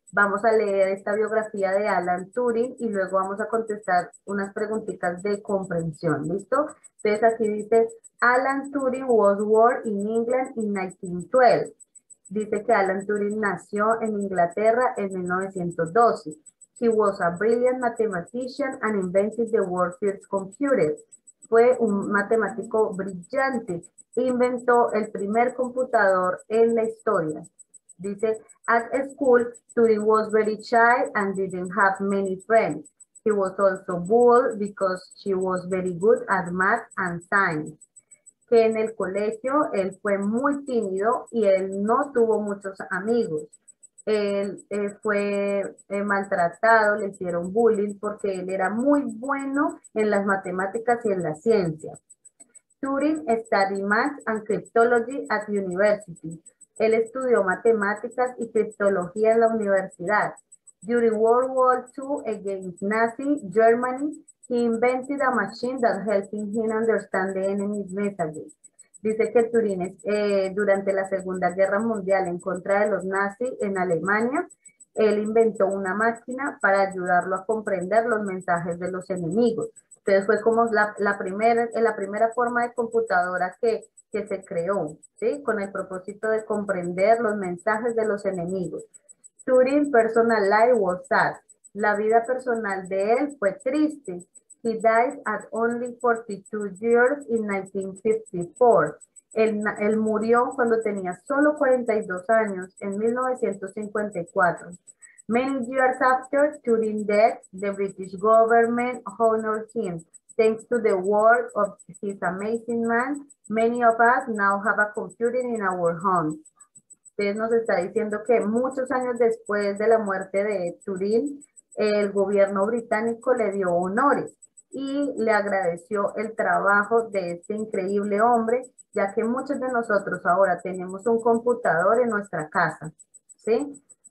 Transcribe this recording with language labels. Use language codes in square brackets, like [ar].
[es] Vamos a leer esta biografía de Alan Turing y luego vamos a contestar unas preguntitas de comprensión, ¿listo? Entonces aquí dice, [en] Alan Turing was born in England in 1912. [es] Dice que Alan Turing nació en Inglaterra en 1912. [en] He was a brilliant mathematician and invented the world's first computer. [es] Fue un matemático brillante. Inventó el primer computador en la historia. Dice, [en] at school, Turing was very shy and didn't have many friends. He was also bold because she was very good at math and science. [es] Que en el colegio, él fue muy tímido y él no tuvo muchos amigos. Él fue maltratado, le hicieron bullying porque él era muy bueno en las matemáticas y en la ciencia. [en] Turing studied math and cryptology at university. [es] Él estudió matemáticas y criptología en la universidad. [en] During World War II against Nazi Germany, he invented a machine that helped him understand the enemy's messages. [es] Dice que Turing, durante la Segunda Guerra Mundial en contra de los nazis en Alemania, él inventó una máquina para ayudarlo a comprender los mensajes de los enemigos. Entonces fue como la primera forma de computadora que se creó, ¿sí? Con el propósito de comprender los mensajes de los enemigos. [en] Turing personal life was sad. [es] La vida personal de él fue triste. [en] He died at only 42 years in 1954. [es] Él murió cuando tenía solo 42 años en 1954. [en] Many years after Turing's death, the British government honored him. Thanks to the work of his amazing man, many of us now have a computer in our home. [es] Entonces nos está diciendo que muchos años después de la muerte de Turing, el gobierno británico le dio honores y le agradeció el trabajo de este increíble hombre, ya que muchos de nosotros ahora tenemos un computador en nuestra casa, ¿sí?